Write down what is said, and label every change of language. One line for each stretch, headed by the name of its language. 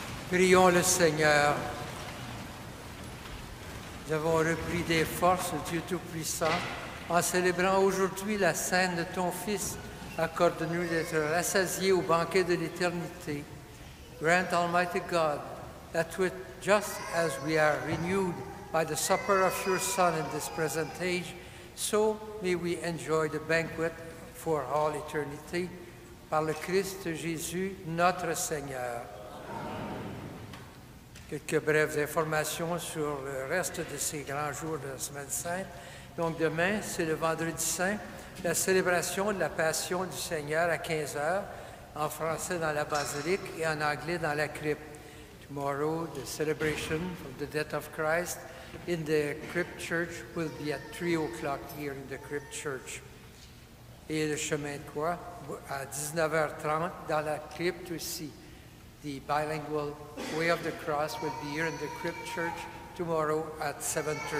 French: Prions le Seigneur. Nous avons repris des forces, Dieu Tout-Puissant, en célébrant aujourd'hui la scène de ton Fils. Accorde-nous d'être rassasiés au banquet de l'éternité.
English: Grant, Almighty God, that with just as we are renewed by the supper of your Son in this present age, so may we enjoy the banquet for all eternity.
French: Par le Christ Jésus, notre Seigneur. Quelques brèves informations sur le reste de ces grands jours de la Semaine Sainte. Donc demain, c'est le Vendredi Saint, la célébration de la Passion du Seigneur à 15 heures, en français dans la basilique et en anglais dans la crypte.
English: Tomorrow, the celebration of the death of Christ in the crypt church will be at 3 o'clock here in the crypt church.
French: Et le chemin de croix à 19h30 dans la crypte aussi.
English: The bilingual way of the cross will be here in the crypt church tomorrow at 7:30.